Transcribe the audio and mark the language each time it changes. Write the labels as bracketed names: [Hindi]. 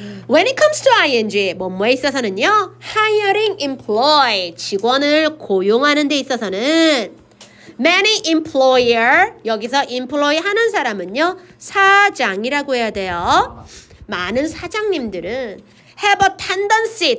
[English] When it comes to ing [Korean] 뭐뭐에 있어서는요. [English] Hiring employee [Korean] 직원을 고용하는 데 있어서는 [English] Many employer [Korean] 여기서 employee 하는 사람은요. 사장이라고 해야 돼요. 많은 사장님들은 [English] Have a tendency.